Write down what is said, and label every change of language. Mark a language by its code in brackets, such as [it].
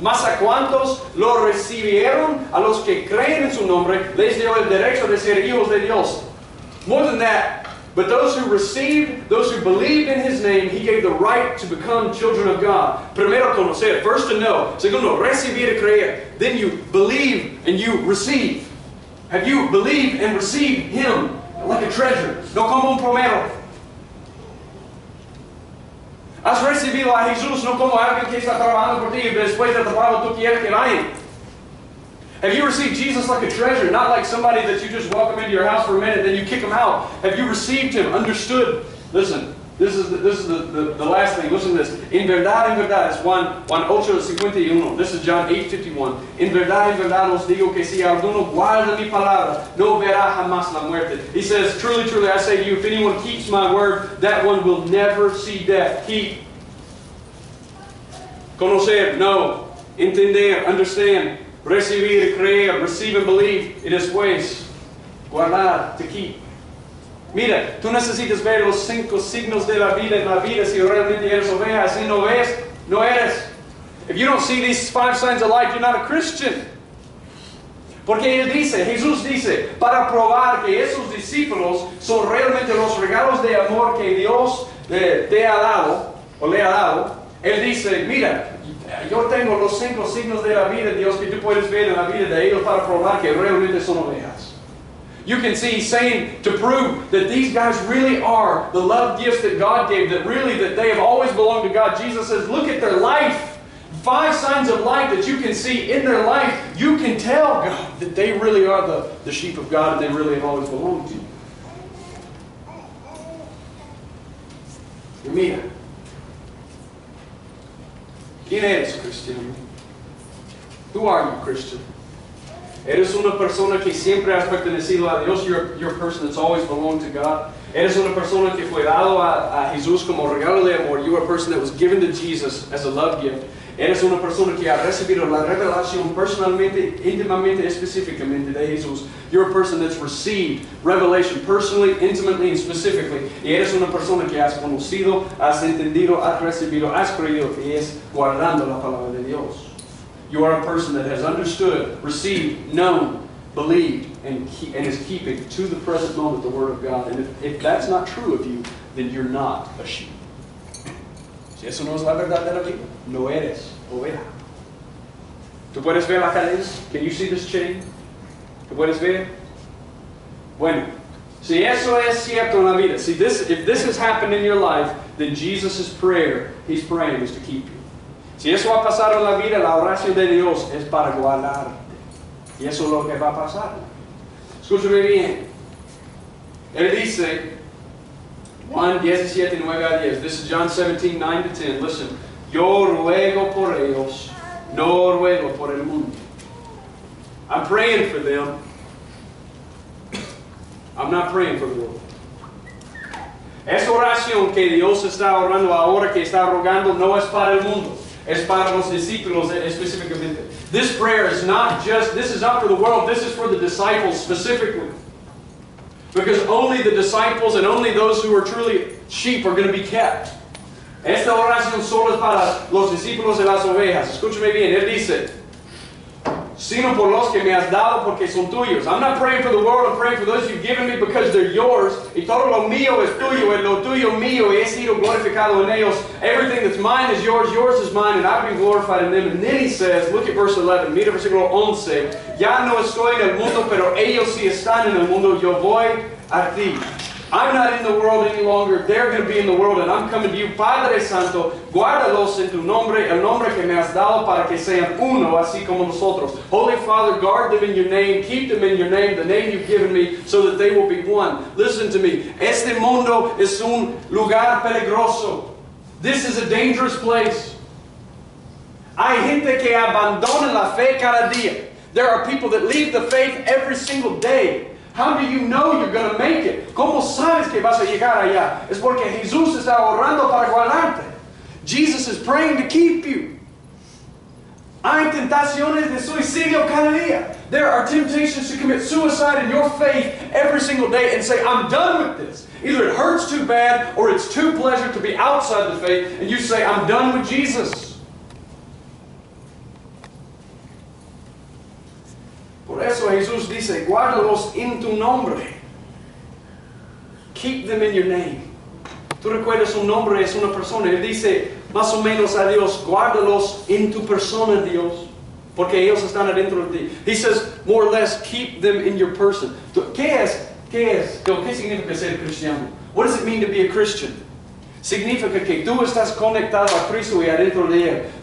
[es] Mas a cuantos lo recibieron, a los que creen en su nombre, les dio el derecho de ser hijos de Dios. [en] More than that, but those who received, those who believed in his name, he gave the right to become children of God. [es] Primero conocer, [en] first to know. [es] Segundo, recibir y creer. [en] Then you believe and you receive. Have you believed and received him like a treasure? [es] No como un plomero. Has recibido a Jesús no como alguien que está trabajando por ti y después de trabajo tú quieres que vaya. [en] Have you received Jesus like a treasure, not like somebody that you just welcome into your house for a minute, then you kick him out? Have you received him, understood? Listen, this is the last thing. Listen to this. [es] En verdad, es Juan 8:51. [en] This is John 8:51. [es] En verdad, os digo que si alguno guarda mi palabra, no verá jamás la muerte. [en] He says, truly, truly, I say to you, if anyone keeps my word, that one will never see death. Keep. [es] Conocer, know. Entender, understand. Recibir, creer. [en] Receive and believe. It is ways. Guardar, to keep. [es] Mira, tú necesitas ver los cinco signos de la vida en la vida si realmente eres oveja. Si no ves, no eres. [en] If you don't see these five signs of life, you're not a Christian. [es] Porque él dice, Jesús dice, para probar que esos discípulos son realmente los regalos de amor que Dios te ha dado, o le ha dado, él dice, mira, Yo tengo los cinco signos de la vida, Dios, que tú puedes ver en la vida de ellos para probar que realmente son ovejas. [en] You can see he's saying to prove that these guys really are the love gifts that God gave, that really that they have always belonged to God. Jesus says, look at their life. Five signs of life that you can see in their life. You can tell God that they really are the sheep of God and they really have always belonged to you. [es] Mira. ¿Quién eres, Cristian? [en] Who are you, Christian? [es] ¿Eres una persona que siempre has pertenecido a Dios? [en] You're a person that's always belonged to God. [es] ¿Eres una persona que fue dado a Jesús como regalo de amor? [en] You are a person that was given to Jesus as a love gift. [es] ¿Eres una persona que ha recibido la revelación personalmente, íntimamente, específicamente de Jesús? [en] You're a person that's received revelation personally, intimately, and specifically. [es] Y eres una persona que has conocido, has entendido, has recibido, has creído, y es guardando la palabra de Dios. [en] You are a person that has understood, received, known, believed, and is keeping to the present moment the Word of God. And if that's not true of you, then you're not a sheep. [es] Si eso no es la verdad de la vida, no eres oveja. ¿Tú puedes ver la cadena? [en] Can you see this chain? [es] ¿Tú puedes ver? Bueno, si eso es cierto en la vida, [en] see, this, if this has happened in your life, then Jesus' prayer, he's praying, is to keep you. [es] Si eso ha pasado en la vida, la oración de Dios es para guardarte. Y eso es lo que va a pasar. Escúchame bien. Él dice, Juan 17, 9 a 10. [en] This is John 17, 9 to 10. Listen. [es] Yo ruego por ellos, no ruego por el mundo. [en] I'm praying for them. I'm not praying for the world. [es] Esa oración que Dios está orando ahora, que está rogando, no es para el mundo. Es para los discípulos específicamente. [en] This prayer is not just, this is not for the world, this is for the disciples specifically. Because only the disciples and only those who are truly sheep are going to be kept. [es] Esta oración solo es para los discípulos y las ovejas. Escúchame bien, él dice, sino por los que me has dado porque son tuyos. [en] I'm not praying for the world, I'm praying for those you've given me because they're yours. [es] Y todo lo mío es tuyo, y lo tuyo mío, y he sido glorificado en ellos. [en] Everything that's mine is yours, yours is mine, and I've been glorified in them. And then he says, look at verse 11, [es] mira versículo 11. Ya no estoy en el mundo, pero ellos sí están en el mundo. Yo voy a ti. [en] I'm not in the world any longer. They're going to be in the world, and I'm coming to you. [es] Padre Santo, guárdalos en tu nombre, el nombre que me has dado para que sean uno, así como nosotros. [en] Holy Father, guard them in your name. Keep them in your name, the name you've given me, so that they will be one. Listen to me. [es] Este mundo es un lugar peligroso. [en] This is a dangerous place. [es] Hay gente que abandona la fe cada día. [en] There are people that leave the faith every single day. How do you know you're going to make it? [es] ¿Cómo sabes que vas a llegar allá? Es porque Jesús está orando para guardarte. [en] Jesus is praying to keep you. [es] Hay tentaciones de suicidio cada día. [en] There are temptations to commit suicide in your faith every single day and say, I'm done with this. Either it hurts too bad or it's too pleasure to be outside the faith and you say, I'm done with Jesus. [es] Por eso Jesús dice, guárdalos en tu nombre. [en] Keep them in your name. [es] Tú recuerdas un nombre, es una persona. Él dice, más o menos a Dios, guárdalos en tu persona, Dios. Porque ellos están adentro de ti. [en] He says, more or less, keep them in your person. [es] ¿Qué es? ¿Qué significa ser cristiano? [en] What does it mean to be a Christian? [es] Significa que tú estás conectado a Cristo y adentro de él.